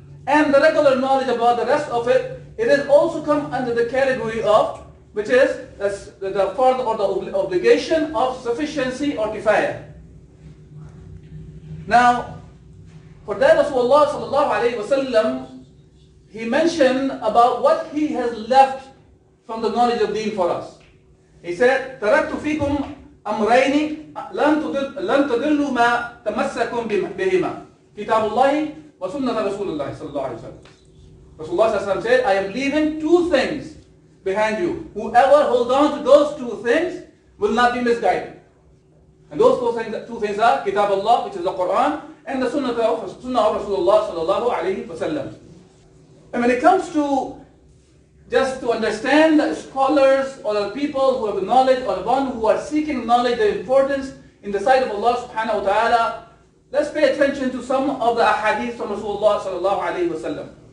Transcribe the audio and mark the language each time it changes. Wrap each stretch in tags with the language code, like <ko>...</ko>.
<en>And the regular knowledge about the rest of it, it has also come under the category of, which is the fard or the obligation of sufficiency or kifaya. Now, for that Rasulullah sallallahu alayhi wa sallam, he mentioned about what he has left from the knowledge of deen for us.</en> <ar>He said, تَرَكْتُ فِيكُمْ أَمْرَيْنِ لَنْ تَدِلُّ مَا تَمَسَّكُمْ بِهِمَا كِتَابُ اللَّهِ وَسُنَّةَ رَسُولُ اللَّهِ صَلَّى اللَّهِ عَلَيْهِ وَسَلَّمُ.</ar> <en>Rasulullah sallallahu alayhi wa sallam said, I am leaving two things behind you. Whoever holds on to those two things will not be misguided. And those two things are Kitab Allah, which is the Quran, and the Sunnah of Rasulullah sallallahu alayhi wa sallam. And when it comes to just to understand the scholars or the people who have the knowledge or the one who are seeking knowledge, the importance in the sight of Allah subhanahu wa ta'ala, let's pay attention to some of the ahadith from Rasulullah sallallahu alayhi wa sallam.</en>